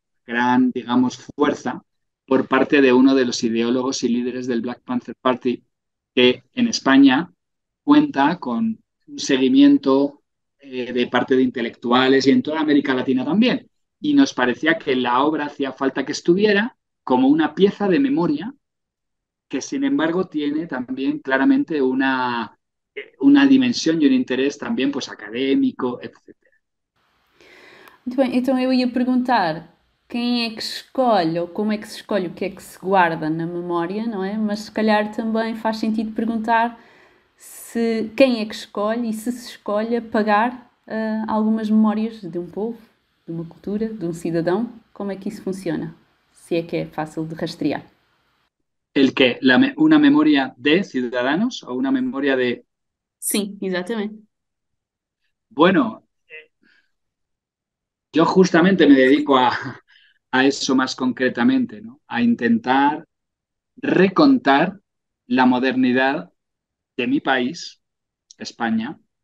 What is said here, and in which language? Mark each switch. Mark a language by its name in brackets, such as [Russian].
[Spanish] gran, digamos, fuerza por parte de uno de los ideólogos y líderes del Black Panther Party que en España cuenta con un seguimiento de parte de intelectuales y en toda América Latina también. Y nos parecía que la obra hacía falta que estuviera como una pieza de memoria que, sin embargo, tiene también claramente una dimensión y un interés también pues académico, etc. [Portuguese] Muito bem, então eu ia perguntar quem é que escolhe ou como é que se escolhe o que é que se guarda na memória, não é? Mas se calhar também faz sentido perguntar se quem é que escolhe e se se escolhe apagar, algumas memórias de um povo, de uma cultura, de um cidadão, como é que isso funciona? Se é que é fácil de rastrear. [Spanish] ¿El qué? ¿Una memoria de ciudadanos o una memoria de...? [Portuguese] Sim, exatamente. [Spanish] Bueno, yo justamente me dedico a eso más concretamente, ¿no? A intentar recontar la modernidad de mi país, España,